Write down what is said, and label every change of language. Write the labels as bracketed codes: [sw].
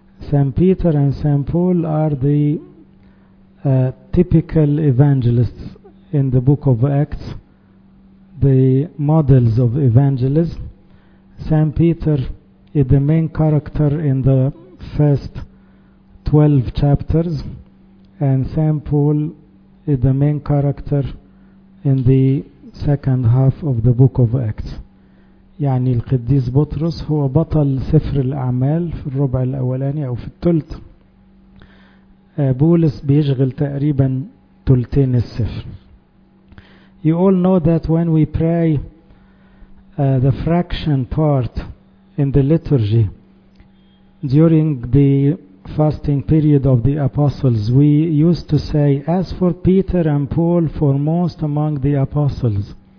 [en] Saint Peter and Saint Paul are the typical evangelists in the book of Acts, the models of evangelism. Saint Peter is the main character in the first 12 chapters, and Saint Paul is the main character in the second half of the book of Acts. [ar] يعني القديس بطرس هو بطل سفر الأعمال في الربع الأولاني أو في الثلث. بولس بيشغل تقريبا ثلثين السفر. [en] You all know that when we pray the fraction part in the liturgy during the fasting period of the apostles, we used to say, as for Peter and Paul, foremost among the apostles,